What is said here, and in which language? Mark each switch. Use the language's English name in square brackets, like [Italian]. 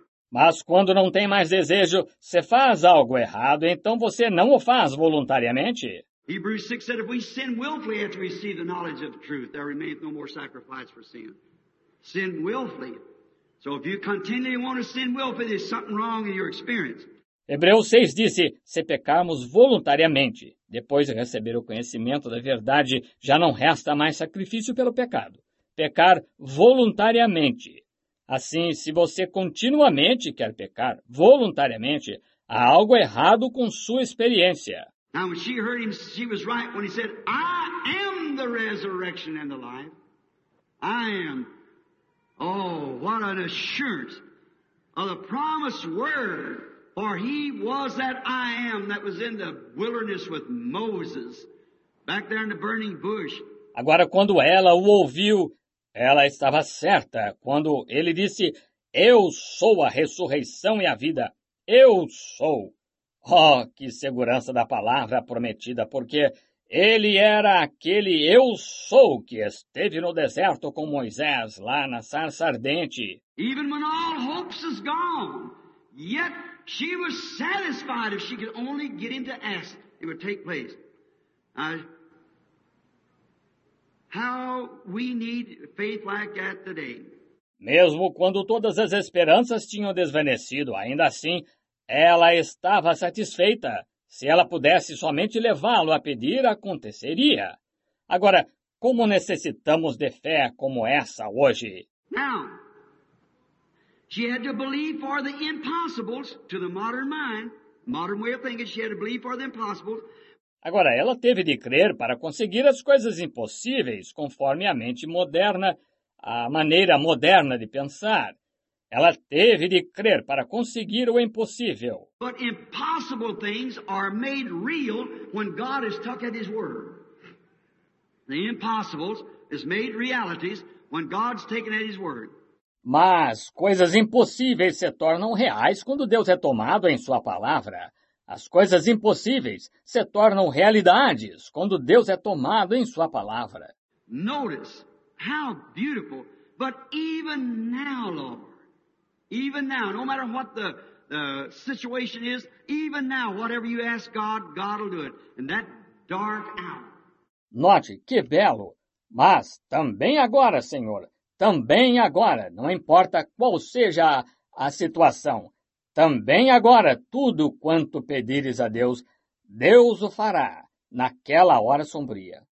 [Portuguese] Mas quando não tem mais desejo, se faz algo errado, então você não o faz voluntariamente. [English] Hebrews 6 said, if we sin willfully after we receive the knowledge of truth, there remains no more sacrifice for sin. Sin willfully. So if you continually want to sin willfully, there's something wrong in your experience. [Portuguese] Hebreus 6 disse, se pecarmos voluntariamente, depois de receber o conhecimento da verdade, já não resta mais sacrifício pelo pecado. Pecar voluntariamente. Assim, se você continuamente quer pecar voluntariamente, há algo errado com sua experiência. [English] Now, when she heard him, she was right when he said, I am the resurrection and the life. I am. Oh, what an assurance of the promised word. For he was that I am that was in the wilderness with Moses, back there in the burning bush. [Portuguese] Agora, quando ela o ouviu, ela estava certa. Quando ele disse, eu sou a ressurreição e a vida. Eu sou. Oh, que segurança da palavra prometida, porque ele era aquele eu sou que esteve no deserto com Moisés, lá na sarça ardente. [English] Even when all hopes is gone, yet she was satisfied if she could only get him to ask, it would take place. How we need faith like that today. [Portuguese] Mesmo quando todas as esperanças tinham desvanecido, ainda assim, ela estava satisfeita. Se ela pudesse somente levá-lo a pedir, aconteceria. Agora, como necessitamos de fé como essa hoje? [English] Now, she had to believe for the impossibles to the modern mind, modern way of thinking, she had to believe for the impossibles. [Portuguese] Agora, ela teve de crer para conseguir as coisas impossíveis, conforme a mente moderna, a maneira moderna de pensar. Ela teve de crer para conseguir o impossível. [English] But impossible things are made real when God is stuck at his word. The impossible is made realities when God's taken at his word. [Portuguese] Mas coisas impossíveis se tornam reais quando Deus é tomado em sua palavra. As coisas impossíveis se tornam realidades quando Deus é tomado em sua palavra. [English] Notice how beautiful, but even now, Lord, even now, no matter what the situation is, even now, whatever you ask God, God will do it. And that dark hour. [Portuguese] Note, que belo. Mas também agora, Senhor, também agora, não importa qual seja a situação, também agora, tudo quanto pedires a Deus, Deus o fará naquela hora sombria.